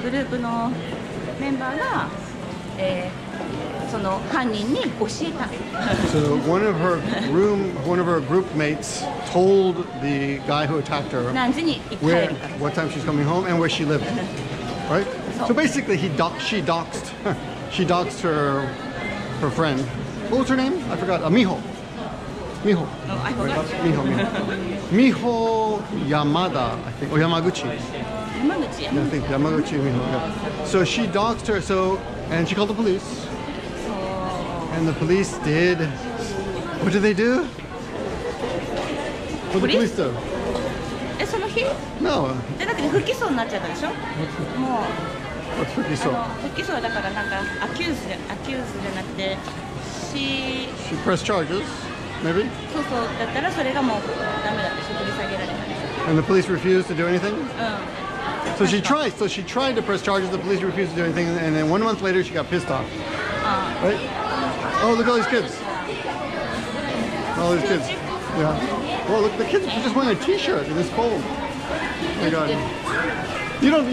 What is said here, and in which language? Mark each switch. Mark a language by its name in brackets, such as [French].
[Japanese] グループのメンバーが、その犯人に教えた。 [English] So one of her group mates told the guy who attacked her [Japanese] 何時に行く帰るか。 [English] What time she's coming home and where she lived. Right? So basically she doxed her friend. What was her name? I forgot. Miho. Miho. Oh, I forgot. Miho. Miho Yamada, I think. Or Yamaguchi. Yamaguchi. Yeah, I think Yamaguchi Miho. Yeah. So she doxed her. So, and she called the police. And the police did. What did they do? What did the police do? [Japanese] その日? [English] No. [Japanese] じゃなくて不起訴になっちゃったでしょ? もう。 [English] What's 不起訴? [Japanese] 不起訴だからなんか accuse じゃなくて。She [English] pressed charges, maybe? [Japanese] そうそう、だったらそれがもうダメだって、引き下げられた [English] り。And the police refused to do anything? [Japanese] うん。 [English] So she tried, to press charges, the police refused to do anything, and then 1 month later she got pissed off. Right? Oh, look at all these kids. All these kids. Yeah. Well, look, the kids are just wearing a t-shirt in this cold. Oh my god.